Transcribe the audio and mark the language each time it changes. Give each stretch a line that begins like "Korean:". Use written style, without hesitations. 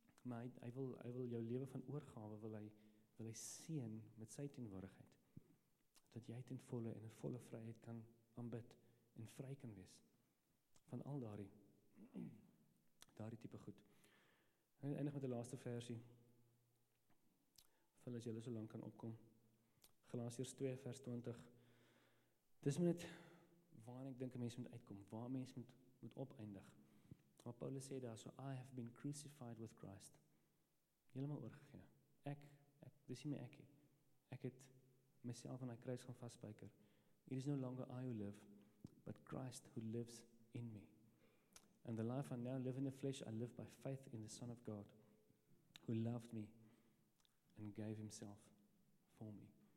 Afrikaans: Maar hy wil jou lewe van oorgawe, wil hy seën met sy teenwoordigheid. Dat jy ten volle en in volle vryheid kan aanbid en vry kan wees van al daardie type goed. En eindig met die laaste versie, vir as jylle so lang kan opkom. Galasiërs 2 vers 20, dis maar net waar ek dink een mens moet uitkom, waar mens moet opeindig. Wat Paulus sê daar,
English: so I have been crucified with Christ,
Afrikaans: helemaal oorgegee. Ek, dis nie my ekkie, ek het myself aan die kruis gaan vastspijker.
English: It is no longer I who live, but Christ who lives in me. And the life I now live in the flesh, I live by faith in the Son of God, who loved me and gave himself for me.